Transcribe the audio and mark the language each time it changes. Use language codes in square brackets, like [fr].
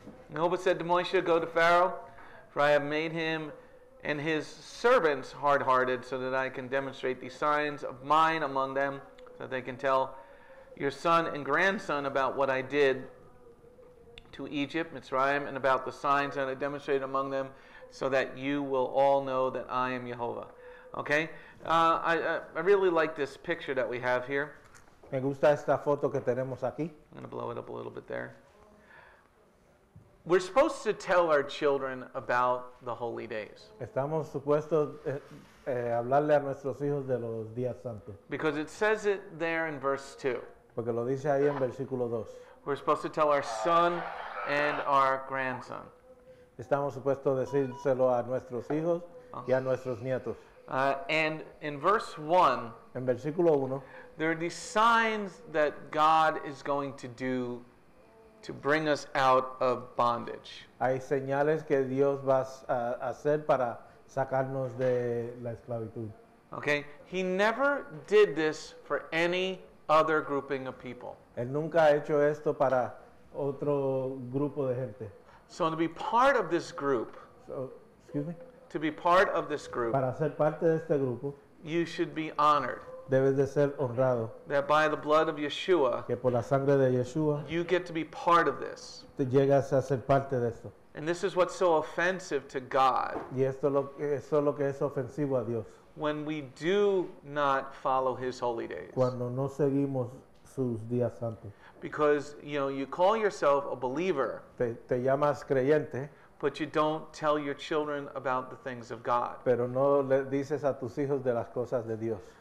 [en] Noah said to Moshe, "Go to Pharaoh, for I have made him and his servants hard-hearted, so that I can demonstrate these signs of mine among them, so that they can tell your son and grandson about what I did to Egypt, Mitzrayim, and about the signs that I demonstrated among them, so that you will all know that I am Yehovah." Okay? I really like this picture that we have here. [es] Me gusta esta foto que tenemos aquí. [en] I'm going to blow it up a little bit there. We're supposed to tell our children about the holy days. [es] Estamos supuestos hablarle a nuestros hijos de los días santos. [en] Because it says it there in verse 2. [es] Porque lo dice ahí en versículo 2. [en] We're supposed to tell our son and our grandson. [es] Estamos supuestos decírselo a nuestros hijos y a nuestros nietos. [en] And in verse 1. [es] En versículo 1. [en] There are these signs that God is going to do to bring us out of bondage. [es] Hay señales que Dios va a hacer para sacarnos de la esclavitud. [en] Okay, He never did this for any other grouping of people. [es] Él nunca ha hecho esto para otro grupo de gente. [en] So to be part of this group. To be part of this group. [es] Para ser parte de este grupo. [en] You should be honored. [es] Debes de ser honrado. [en] That by the blood of Yeshua, [es] que por la sangre de Yeshua, [en] you get to be part of this. [es] Te llegas a ser parte de esto. [en] And this is what's so offensive to God. [es] Y esto es lo que es ofensivo a Dios. [en] When we do not follow His holy days. [es] Cuando no seguimos sus días santos. [en] Because, you know, you call yourself a believer. [es] Te llamas creyente. [en] But you don't tell your children about the things of God. [es] Pero no le dices a tus hijos de las cosas de Dios.